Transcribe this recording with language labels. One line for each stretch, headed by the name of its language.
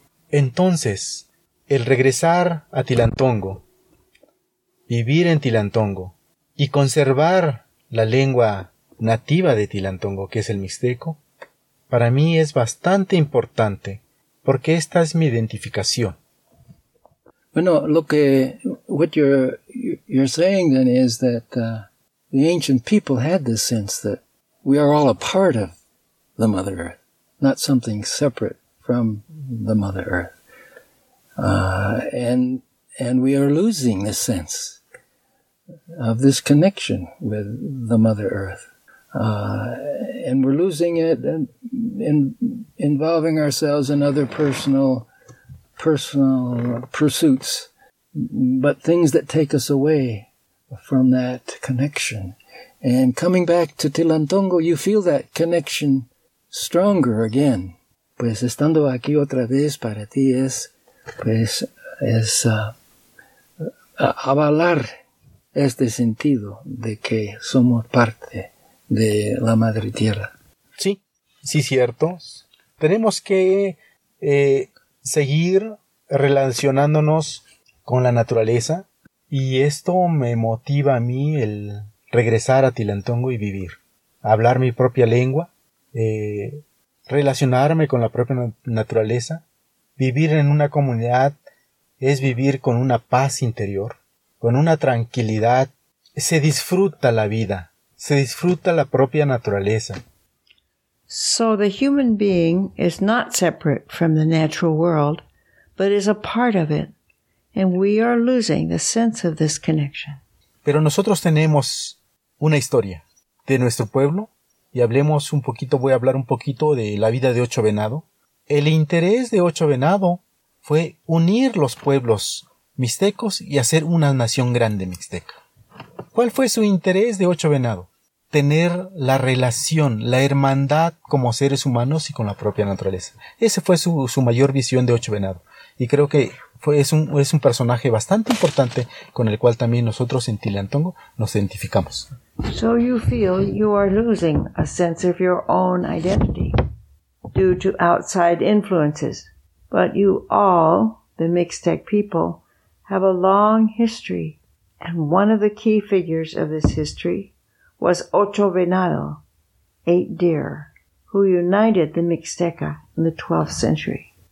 Spanish: Entonces, el regresar a Tilantongo, vivir en Tilantongo y conservar la lengua nativa de Tilantongo, que es el mixteco, para mí es bastante importante porque esta es mi identificación. Bueno,
English: what you're saying then is that the ancient people had this sense that we are all a part of the Mother Earth, not something separate from the Mother Earth. And we are losing the sense of this connection with the Mother Earth. And we're losing it in involving ourselves in other personal pursuits, but things that take us away from that connection. And coming back to Tilantongo, you feel that connection stronger again.
Spanish: Pues estando aquí otra vez para ti es, pues, es avalar este sentido de que somos parte de la Madre Tierra. Sí, sí, cierto. Tenemos que seguir relacionándonos con la naturaleza y esto me motiva a mí el regresar a Tilantongo y vivir, hablar mi propia lengua, relacionarme con la propia naturaleza. Vivir en una comunidad es vivir con una paz interior, con una tranquilidad. Se disfruta la vida, se disfruta la propia naturaleza.
English: So the human being is not separate from the natural world, but is a part of it, and we are losing the sense of this connection.
Spanish: Pero nosotros tenemos una historia de nuestro pueblo, y hablemos un poquito, voy a hablar un poquito de la vida de Ocho Venado. El interés de Ocho Venado fue unir los pueblos mixtecos y hacer una nación grande mixteca. ¿Cuál fue su interés de Ocho Venado? Tener la relación, la hermandad como seres humanos y con la propia naturaleza. Ese fue su mayor visión de Ocho Venado. Y creo que es un personaje bastante importante con el cual también nosotros en Tilantongo nos identificamos.
English: So you feel you are losing a sense of your own identity due to outside influences. But you all, the Mixtec people, have a long history. And one of the key figures of this history was Ocho Venado, Eight Deer, who united the Mixteca in the 12th century.